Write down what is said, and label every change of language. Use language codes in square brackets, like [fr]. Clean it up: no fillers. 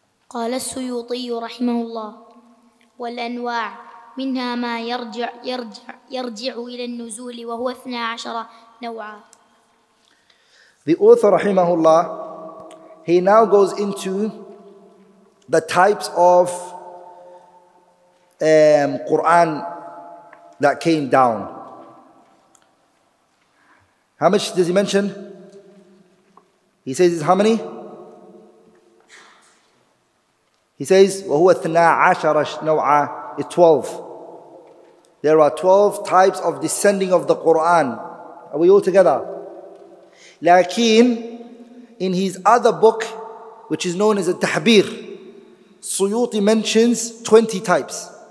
[ar] قال السيوطي رحمه الله والأنواع منها ما يرجع إلى النزول وهو 12 نوعا. [en] The author, rahimahullah, he now goes into the types of Qur'an that came down. How much does he mention? He says, it's how many? He says, [ar] وَهُوَ اثْنَا عَشَرَ نَوْعَى. [en] It's 12. There are 12 types of descending of the Qur'an. Are we all together? Lakin, in his other book, which is known as a tahbir, Suyuti mentions 20 types.